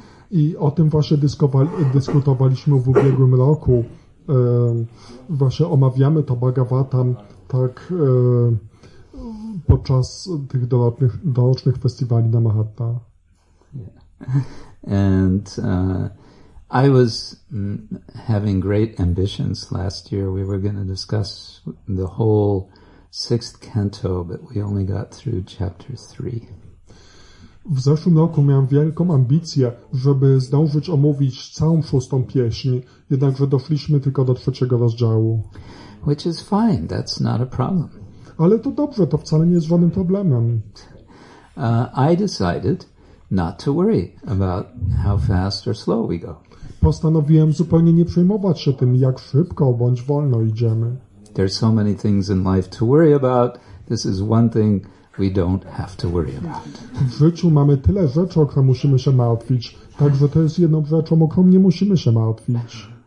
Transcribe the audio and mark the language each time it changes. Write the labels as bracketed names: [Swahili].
[Polish] I o tym właśnie dyskutowaliśmy w ubiegłym roku. Właśnie omawiamy to Bhagavatam tak podczas tych dorocznych festiwali na Mahatma. [English] Yeah. And I was having great ambitions last year. We were going to discuss the whole sixth canto, but we only got through chapter 3. [Polish] W zeszłym roku miałem wielką ambicję, żeby zdążyć omówić całą szóstą pieśń, jednakże doszliśmy tylko do trzeciego rozdziału. [English] Which is fine, that's not a problem. [Polish] Ale to dobrze, to wcale nie jest żadnym problemem. [English] I decided not to worry about how fast or slow we go. [Polish] Postanowiłem zupełnie nie przejmować się tym, jak szybko bądź wolno idziemy. [English] There are so many things in life to worry about. This is one thing we don't have to worry about. [Polish] W życiu mamy tyle rzeczy, o które musimy się martwić, także to jest jedną rzeczą, o którą nie musimy się martwić.